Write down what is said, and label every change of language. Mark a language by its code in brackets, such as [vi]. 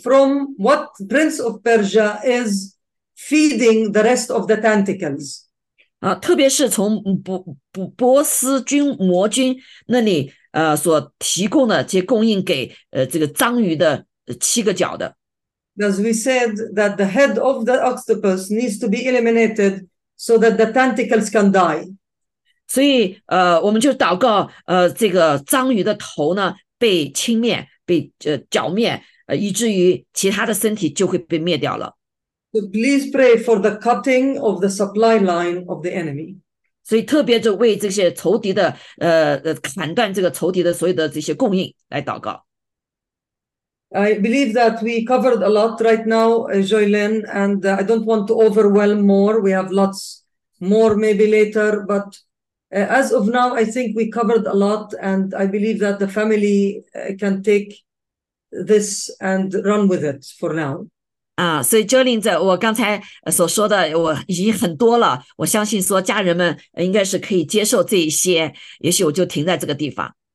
[en] from what Prince of Persia is feeding the rest of the tentacles. [zh] 特别是从波斯军魔军那里所提供的这些供应给这个章鱼的七个角的。 [en] As we said that the head of the octopus needs to be eliminated so that the tentacles can die. [zh] 所以我们就祷告这个章鱼的头呢被轻灭，被剿灭，以至于其他的身体就会被灭掉了。 [en] So please pray for the cutting of the supply line of the enemy. [zh] 所以特别就为这些仇敌的砍断这个仇敌的所有的这些供应来祷告。 [en] I believe that we covered a lot right now, Joylin, and I don't want to overwhelm more. We have lots more maybe later, but as of now, I think we covered a lot, and I believe that the family can take this and run with it for now. [zh] 啊，所以 Joylin 在我刚才所说的，我已经很多了。我相信说家人们应该是可以接受这一些，也许我就停在这个地方。